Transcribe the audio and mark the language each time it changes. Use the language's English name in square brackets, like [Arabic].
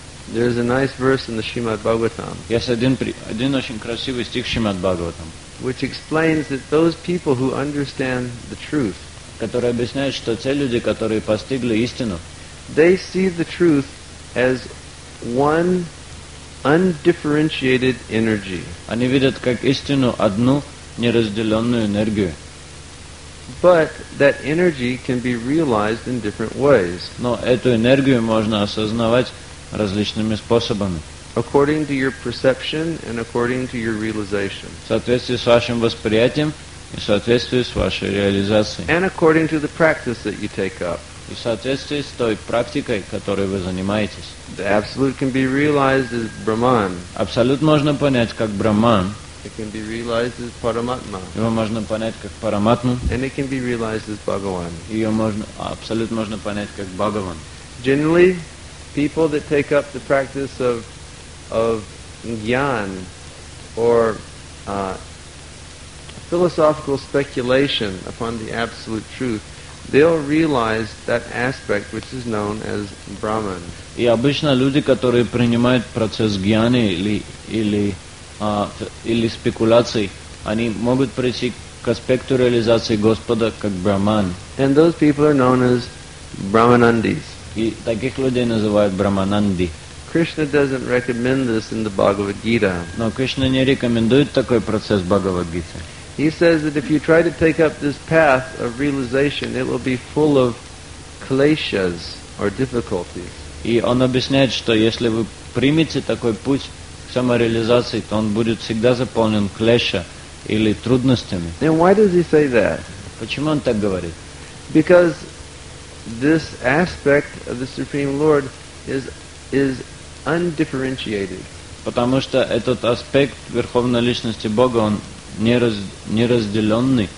[English] There is a nice verse in the Srimad Bhagavatam. [Russian] Есть один очень красивый стих Srimad Bhagavatam. [English] Which explains that those people who understand the truth, [Russian] которые объясняют, что те люди, которые постигли истину, [English] they see the truth as one undifferentiated energy. [Russian] Они видят как истину одну неразделенную энергию. [English] But that energy can be realized in different ways. [Russian] Но эту энергию можно осознавать различными способами. [English] According to your perception and according to your realization. [Russian] В соответствии с вашим восприятием и в соответствии с вашей реализацией. [English] And according to the practice that you take up. [Russian] И в соответствии с той практикой, которой вы занимаетесь. [English] The absolute can be realized as Brahman. [Russian] Абсолют можно понять как Брахман. [English] It can be realized as Paramatma. [Russian] Его можно понять как Параматму. [English] And it can be realized as Bhagavan. [Russian] Ее можно, абсолют можно понять как Бхагаван. [English] Generally, people that take up the practice of jnana or philosophical speculation upon the absolute truth, they'll realize that aspect which is known as Brahman. [Russian] И обычно люди, которые принимают процесс гьяны или спекуляций, они могут прийти к аспекту реализации Господа как Брахман. [English] And those people are known as Brahmanandis. [Russian] И таких людей называют Брахмананди. [English] Krishna doesn't recommend this in the Bhagavad Gita. [Russian] Но Кришна не рекомендует такой процесс Бхагавад Гите. [English] He says that if you try to take up this path of realization, it will be full of kleshas or difficulties. [Russian] И он объясняет, что если вы примете такой путь самореализации, то он будет всегда заполнен клеша или трудностями. [English] Then why does he say that? [Russian] Почему он так говорит? [English] Because this aspect of the Supreme Lord is undifferentiated. [Russian] Потому что этот аспект Верховной Личности Бога, он неразделенный.